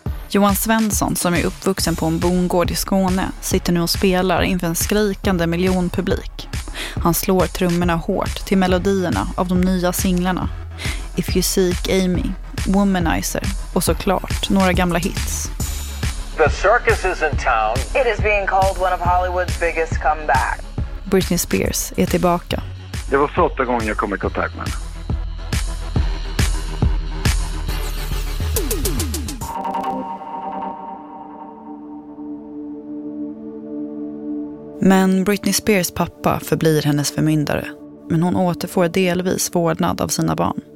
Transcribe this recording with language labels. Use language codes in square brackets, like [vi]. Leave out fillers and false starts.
[sv] Johan Svensson som är uppvuxen på en bondgård i Skåne sitter nu och spelar inför en skrikande miljonpublik. Han slår trummorna hårt till melodierna av de nya singlarna. If You Seek Amy, Womanizer och såklart några gamla hits. [en] The circus is in town. It is being called one of Hollywood's biggest comeback. [sv] Britney Spears är tillbaka. Det var första gången jag kom i kontakt med. Men Britney Spears pappa förblir hennes förmyndare. Men hon återfår delvis vårdnad av sina barn.